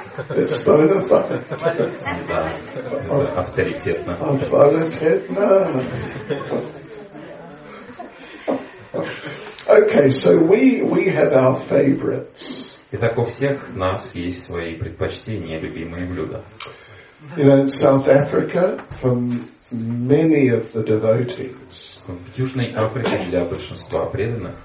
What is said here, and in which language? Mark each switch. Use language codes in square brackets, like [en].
[en] It's bona fide. [ru] Да, авторитетно. Авторитетно. [en] Okay, so we have our favorites. [ru] Итак, у всех нас есть свои предпочтения, любимые блюда. [en] You know, in South Africa, from many of the devotees, [ru] в Южной Африке для большинства преданных